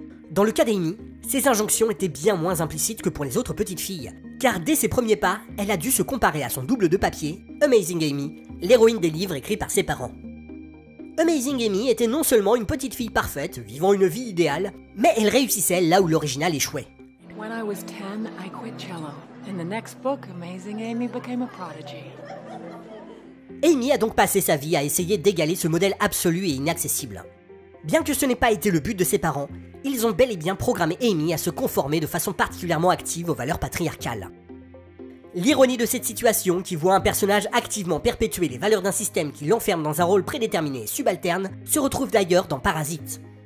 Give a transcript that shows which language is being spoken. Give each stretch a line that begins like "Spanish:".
French: Dans le cas d'Amy, ces injonctions étaient bien moins implicites que pour les autres petites filles, car dès ses premiers pas, elle a dû se comparer à son double de papier, Amazing Amy, l'héroïne des livres écrits par ses parents. Amazing Amy était non seulement une petite fille parfaite, vivant une vie idéale, mais elle réussissait là où l'original échouait.
English: When I was 10, I quit cello. In the next book, Amazing Amy became a prodigy.
French: Amy a donc passé sa vie à essayer d'égaler ce modèle absolu et inaccessible. Bien que ce n'ait pas été le but de ses parents, ils ont bel et bien programmé Amy à se conformer de façon particulièrement active aux valeurs patriarcales. L'ironie de cette situation, qui voit un personnage activement perpétuer les valeurs d'un système qui l'enferme dans un rôle prédéterminé et subalterne, se retrouve d'ailleurs dans Parasite.